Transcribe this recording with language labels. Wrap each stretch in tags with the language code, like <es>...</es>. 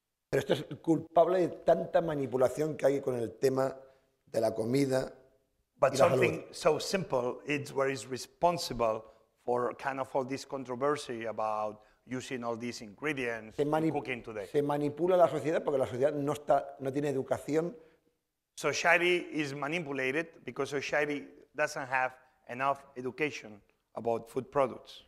<es>Pero esto es culpable de tanta manipulación que hay con el tema de la comida.</es> <en>But something so simple is where it's responsible for kind of all this controversy about using all these ingredients in cooking today.</en> <es>Se manipula la sociedad porque la sociedad no tiene educación.</es> <en>Society is manipulated because society doesn't have enough education about food products.</en>